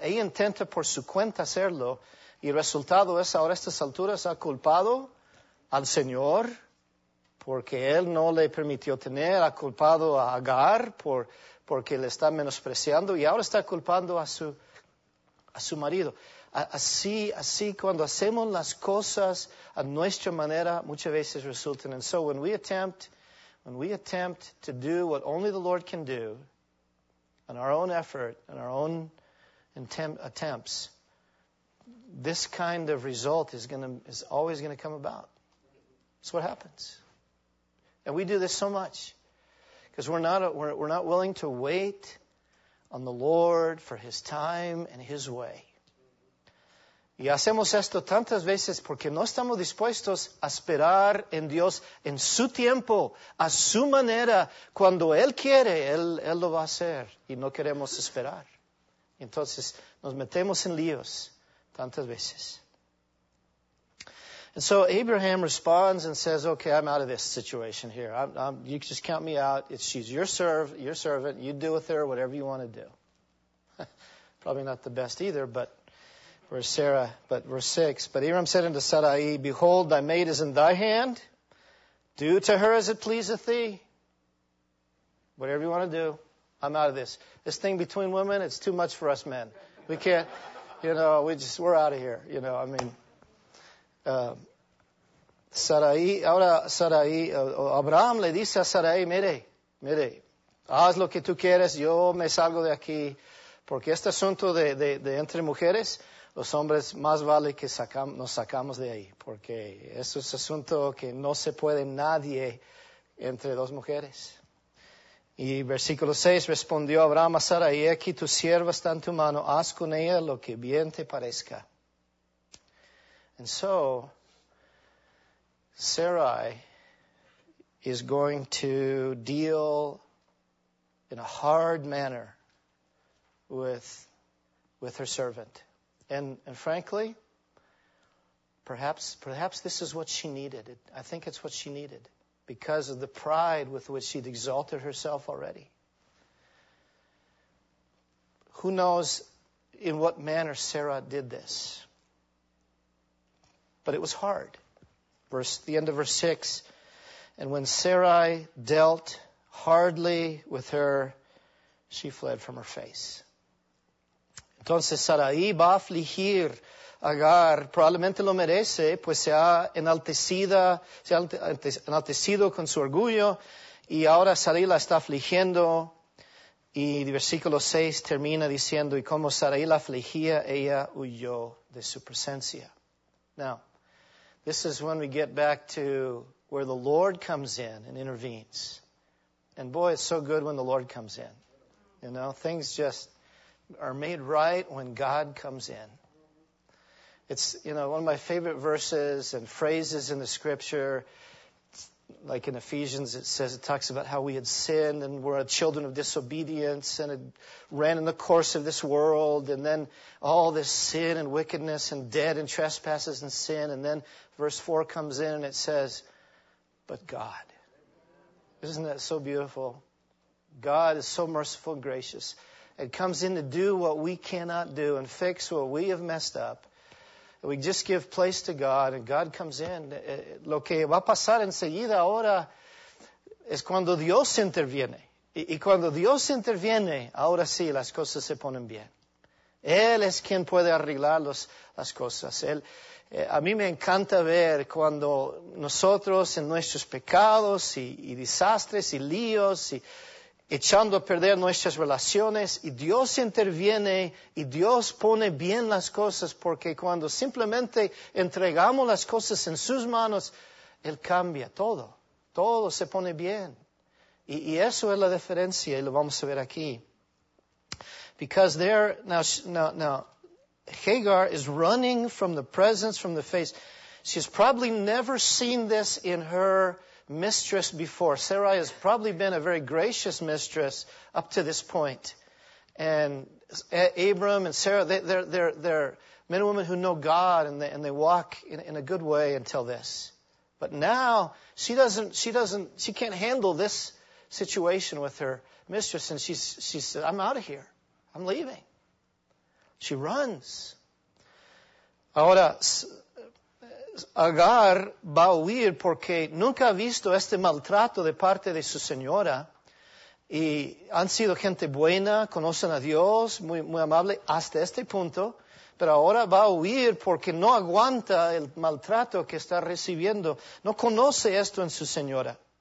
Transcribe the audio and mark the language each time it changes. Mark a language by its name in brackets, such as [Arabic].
[Spanish] Ella intenta por su cuenta hacerlo. Y el resultado es, ahora a estas alturas, ha culpado al Señor, porque él no le permitió tener, ha culpado a Agar porque le está menospreciando, y ahora está culpando a su marido. Así cuando hacemos las cosas a nuestra manera, muchas veces resultan. [English] And so when we attempt to do what only the Lord can do, in our own effort, in our own attempts, this kind of result is always going to come about. That's what happens. And we do this so much because we're not willing to wait on the Lord for His time and His way. [Spanish] Y hacemos esto tantas veces porque no estamos dispuestos a esperar en Dios en su tiempo, a su manera. Cuando Él quiere, Él lo va a hacer, y no queremos esperar. Entonces nos metemos en líos tantas veces. [English] And so Abraham responds and says, okay, I'm out of this situation here. I'm, you just count me out. She's your servant. You do with her whatever you want to do. Probably not the best either, but verse 6. But Abraham said unto Sarai, behold, thy maid is in thy hand. Do to her as it pleaseth thee. Whatever you want to do, I'm out of this. This thing between women, it's too much for us men. We can't, we're out of here, [Spanish] Abraham le dice a Sarai, mire, haz lo que tú quieres, yo me salgo de aquí, porque este asunto de entre mujeres, los hombres más vale que nos sacamos de ahí, porque eso es asunto que no se puede nadie entre dos mujeres. Y versículo 6, respondió Abraham a Sarai, he aquí tu sierva está en tu mano, haz con ella lo que bien te parezca. [English] And so, Sarai is going to deal in a hard manner with her servant. And frankly, perhaps this is what she needed. I think it's what she needed because of the pride with which she'd exalted herself already. Who knows in what manner Sarah did this? But it was hard. The end of verse 6, and when Sarai dealt hardly with her, she fled from her face. [Spanish] Entonces Sarai va a afligir Agar, probablemente lo merece, pues se ha enaltecido con su orgullo, y ahora Sarai la está afligiendo, y versículo 6 termina diciendo, y como Sarai la afligía, ella huyó de su presencia. [English] Now, this is when we get back to where the Lord comes in and intervenes. And boy, it's so good when the Lord comes in. You know, things just are made right when God comes in. It's, you know, one of my favorite verses and phrases in the scripture. It's like in Ephesians, it talks about how we had sinned and were children of disobedience and had ran in the course of this world. And then all this sin and wickedness and dead and trespasses and sin. And then verse 4 comes in and it says, but God. Isn't that so beautiful? God is so merciful and gracious. And comes in to do what we cannot do and fix what we have messed up. We just give place to God, and God comes in. [Spanish] Lo que va a pasar enseguida ahora es cuando Dios interviene. Y cuando Dios interviene, ahora sí, las cosas se ponen bien. Él es quien puede arreglar las cosas. A mí me encanta ver cuando nosotros en nuestros pecados y desastres y líos y echando a perder nuestras relaciones, y Dios interviene, y Dios pone bien las cosas, porque cuando simplemente entregamos las cosas en sus manos, Él cambia todo. Todo se pone bien. Y eso es la diferencia, y lo vamos a ver aquí. [English] Because there, now, Hagar is running from the presence, from the face. She's probably never seen this in her mistress before. Sarai has probably been a very gracious mistress up to this point. And Abram and Sarah, they're men and women who know God, and they walk in a good way until this. But now she can't handle this situation with her mistress, and she said, I'm out of here. I'm leaving. She runs. [Spanish] Ahora, Agar va a huir porque nunca ha visto este maltrato de parte de su señora, y han sido gente buena, conocen a Dios, muy, muy amable hasta este punto, pero ahora va a huir porque no aguanta el maltrato que está recibiendo, no conoce esto en su señora.